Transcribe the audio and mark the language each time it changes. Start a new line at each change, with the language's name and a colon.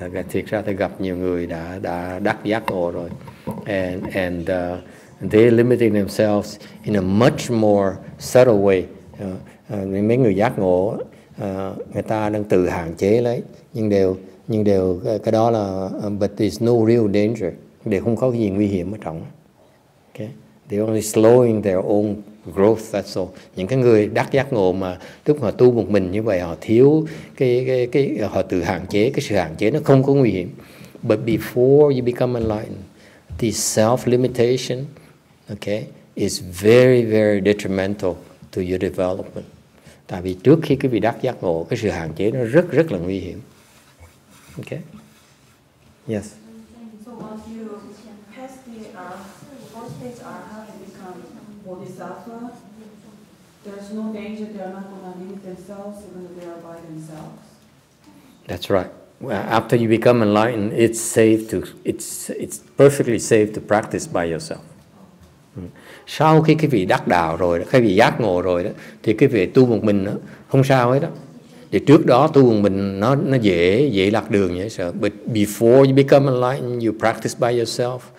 Vietnamese: Thiệt ra tôi gặp nhiều người đã đắc giác ngộ rồi.
English: And they limiting themselves in a much more subtle way.
Vietnamese: Mấy người giác ngộ, người ta đang tự hạn chế lấy. Nhưng đều cái đó là
English: but there's no real danger,
Vietnamese: đều không có gì nguy hiểm ở trong.
English: Okay, they're only slowing their own growth, that's all.
Vietnamese: Những cái người đắc giác ngộ mà lúc họ tu một mình như vậy, họ thiếu cái họ tự hạn chế, cái sự hạn chế nó không có nguy hiểm.
English: But before you become enlightened, the self limitation, okay, is very very detrimental to your development.
Vietnamese: Tại vì trước khi quý vị đắc giác ngộ, cái sự hạn chế nó rất rất là nguy hiểm.
English: Okay. Yes. So once you pass the fourth stage Arhat and become Bodhisattva, there's no danger. They are not going to limit themselves, even if they are by themselves. That's right. Well, after you become enlightened, it's safe to it's perfectly safe to practice by yourself.
Vietnamese: Sau khi quý vị đắc đạo rồi, khi vị giác ngộ rồi đó, thì quý vị tu một mình đó, không sao hết đó. Thì trước đó tu mình nó dễ lạc đường vậy sợ.
English: But before you become enlightened, you practice by yourself.